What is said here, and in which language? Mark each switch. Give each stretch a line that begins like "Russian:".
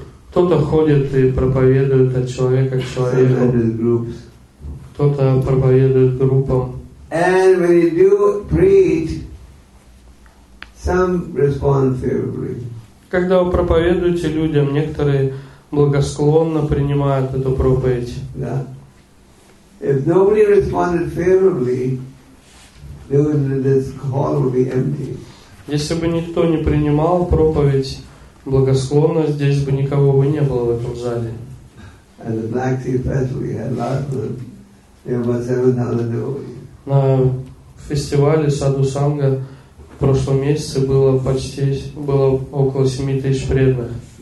Russian: Кто-то ходит и проповедует от человека к человеку. Кто-то проповедует группам.
English: And when you do preach, some respond favorably.
Russian: Когда вы проповедуете людям, некоторые благосклонно принимают эту проповедь.
English: Yeah. If nobody responded favorably, then this hall would be empty.
Russian: Если бы никто не принимал проповедь благосклонно, здесь бы никого бы не было в этом зале.
English: At the Black Sea Festival, we had last month, there were 7,000 devotees.
Russian: На фестивале Саду Санга в прошлом месяце было около 7,000 преданных.